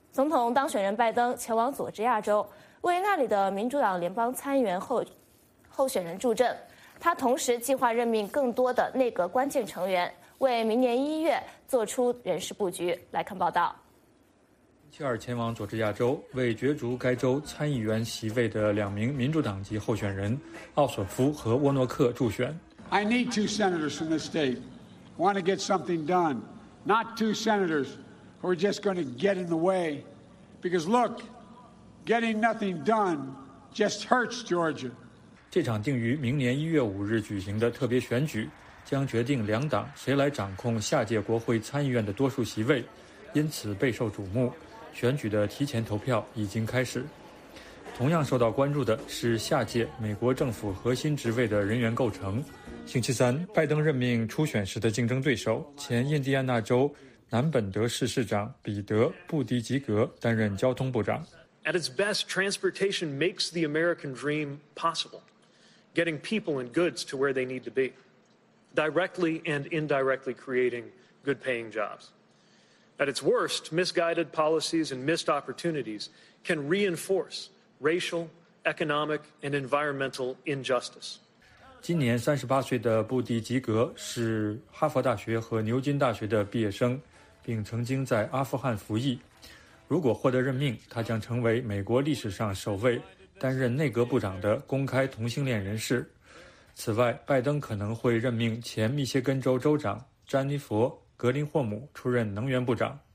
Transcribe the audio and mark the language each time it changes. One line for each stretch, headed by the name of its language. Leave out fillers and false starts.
Chinese: 美国财政部在一份声明中说，这4家公司为众翔石化有限公司提供关键的船运服务，或代表该公司执行金融交易，让众翔石化可以继续代理和运输伊朗的石化出口。财政部说，被制裁的实体还有个人在美国的所有资产将被冻结，美国人被禁止与他们进行交易。总统当选人拜登前往佐治亚州。为那里的民主党联邦参议员候选人助阵，他同时计划任命更多的内阁关键成员，为明年1月做出人事布局。来看报道。切尔前往佐治亚州，为角逐该州参议员席位的2名民主党籍候选人奥索夫和沃诺克助选。I
English: need two senators from this state who want to get something done, not two senators who are just going to get in the way. Because look. Getting nothing done just hurts Georgia.
Chinese: 这场定于明年1月5日举行的特别选举将决定两党谁来掌控下届国会参议院的多数席位，因此备受瞩目。选举的提前投票已经开始。同样受到关注的是下届美国政府核心职位的人员构成。星期三，拜登任命初选时的竞争对手、前印第安纳州南本德市市长彼得·布迪吉格担任交通部长。
English: At its best, transportation makes the American dream possible, getting people and goods to where they need to be, directly and indirectly creating good-paying jobs. At its worst, misguided policies and missed opportunities can reinforce racial, economic, and environmental injustice.
Chinese: 今年38岁的布迪吉格是哈佛大学和牛津大学的毕业生，并曾经在阿富汗服役。如果获得任命，他将成为美国历史上首位担任内阁部长的公开同性恋人士。此外，拜登可能会任命前密歇根州州长詹妮佛·格林霍姆出任能源部长。